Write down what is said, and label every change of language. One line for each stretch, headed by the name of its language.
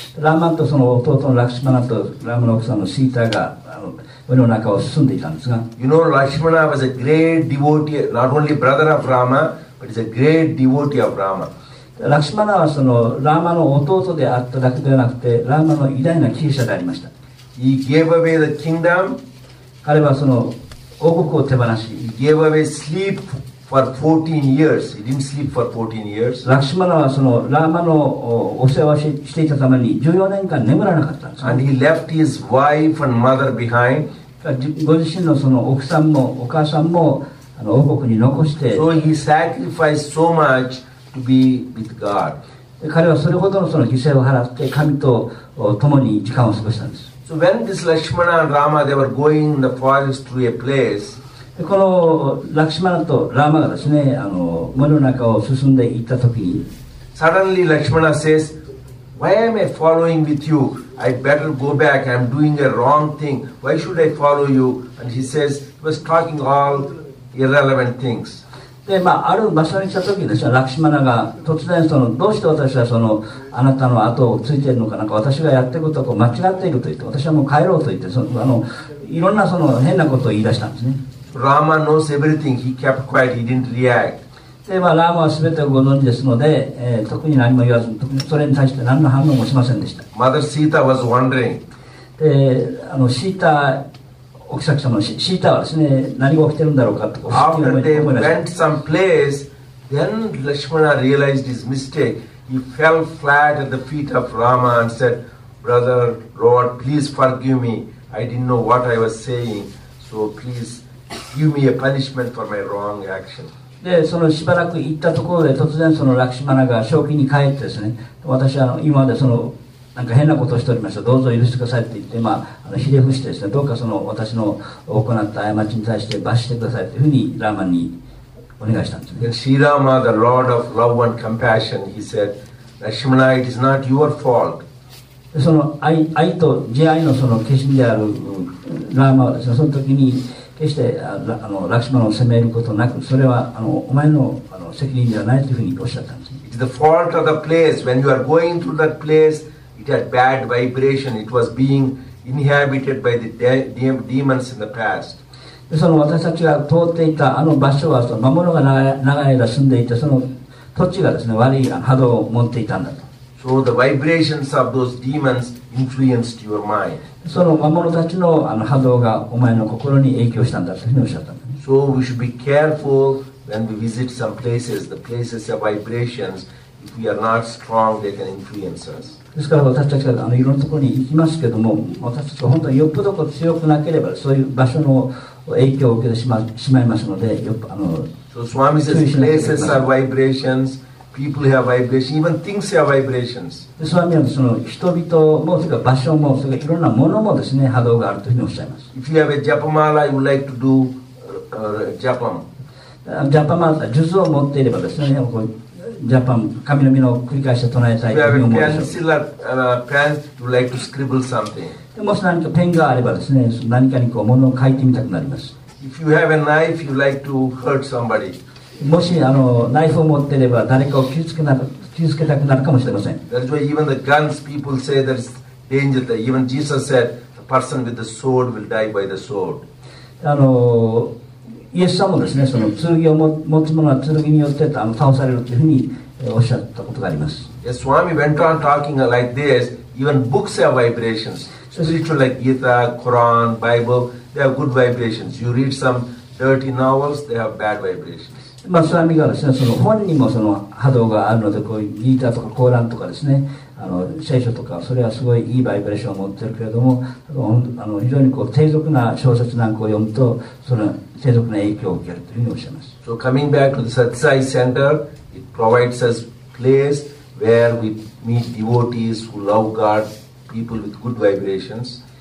Japanese: ラーマとその弟のラクシマナとラーマの奥さんのシータが森の中を進んでいたんですが。
English: You know, Lakshmana was a great devotee, not only brother of Rama, but is a great devotee of Rama.
Japanese: ラクシマナはそのラーマの弟であっただけではなくて、ラーマの偉大な騎士でありました。
English: He gave away the kingdom.
Japanese: 彼はその王国を手放し、
English: He gave away sleep for 14 years. He didn't sleep for 14 years.
Japanese: ラクシマナはそのラーマのお世話していたために14年間眠らなかったんです。
English: And he left his wife and mother behind.
Japanese: ご自身のその奥さんもお母さんも王国に残して、
English: So he sacrificed so much to be with God.
Japanese: 彼はそれほどのその犠牲を払って神と共に時間を過ごしたんです。
English: So when this Lakshmana and Rama they were going in the forest through a place,
Japanese: このラクシマナとラーマがですね、森の中を進んで行った時に、
English: suddenly Lakshmana says, "Why am I following with you? I better go back. I'm doing a wrong thing. Why should I follow you?" And he says, he was talking all irrelevant things.
Japanese: で、まあある場所に来た時にですね、ラクシマナが突然そのどうして私はそのあなたの後をついているのか、なんか私がやってることを間違っていると言って、私はもう帰ろうと言って、そのいろんなその変なことを言い出したんですね。
English: Rama knows everything. He kept quiet. He didn't react.
Japanese: で、まあ、ラームは全てをご存知ですので、特に何も言わず、それに対して何の反応もしませんでした。
English: Mother Sita was wondering.
Japanese: で、あのシータ、お妃様のシータはですね、何が起きてるんだろうかと。
English: After they went some place, then Lakshmana realized his mistake. He fell flat at the feet of Rama and said, Brother Lord, please forgive me. I didn't know what I was saying. So please give me a punishment for my wrong action.
Japanese: でそのしばらく行ったところで突然そのラクシマナが正気に帰ってですね、私は今までそのなんか変なことをしておりました、どうぞ許してくださいと言って、まあ、ひれ伏してですね、どうかその私の行った過ちに対して罰してくださいというふうにラーマンにお願いしたんですね。
English: シーラーマ the Lord of love and compassion he said Lakshmana it is not your fault。
Japanese: その愛と慈愛のその化身であるラーマはですね、その時に決してあのラクシマナを責めることなく、それはあのお前 の, あの責任ではないというふうにおっしゃったんです。
English: It is the fault of the place. When you are going through that place, it had bad vibration. It was being inhabited by the demons in the past.
Japanese: でその私たちが通っていたあの場所は、その魔物が長い間住んでいて、その土地がですね、悪い波動を持っていたんだと。
English: So the vibrations of those demons influenced your mind.
Japanese: その魔物たち の, あの波動がお前の心に影響したんだというふうにおっしゃったんです
English: 。So we should be careful when we visit some places. The places have vibrations. If we are not strong, they can influence us.
Japanese: ですから私たちがあのいろんなところに行きますけども、私たちが本当によっぽどこう強くなければ、そういう場所の影響を受けてしまいますので、よくあの。
English: So Swami says places are vibrations. People have vibrations. Even things have vibrations.
Japanese: でそれはその人々もそれから場所もそれからいろんなものもですね波動があるというふうにおっしゃいます。
English: If you have a japamala, you would like to do japam.
Japanese: Japamala 数珠を持っていればですね、こうjapam 神の実の繰り返しを唱えたいというふうに思います。
English: If you have a pencil or pen, you would like to scribble something.
Japanese: でもし何かペンがあればですね、何かにこう物を書いてみたくなります。
English: If you have a knife, you would like to hurt somebody.
Japanese: もしあのナイフを持っていれば誰かを傷つけたくなるかもしれません。
English: That's why even the guns people say there's danger. Even Jesus said the person with the sword will die by the sword.
Japanese: あのイエス様もですね、その剣を持つ者は剣によってあの倒されるというふうにおっしゃったことがあります。
English: Yes, Swami went on talking like this. Even books have vibrations. Spiritual like Gita, Quran, Bible, they have good vibrations. You read some dirty novels, they have bad vibrations.
Japanese: まあ、スワミがですね、その本にもその波動があるので、こういうギーターとかコーランとかですね、あの聖書とか、それはすごいいいバイブレーションを持っているけれども、あの非常にこう低俗な小説なんかを読むと、その低俗な影響を受けるというふうにおっしゃいます。
English: So coming back to the Satsai Center, it provides us place where we meet devotees who love God, people with good vibrations.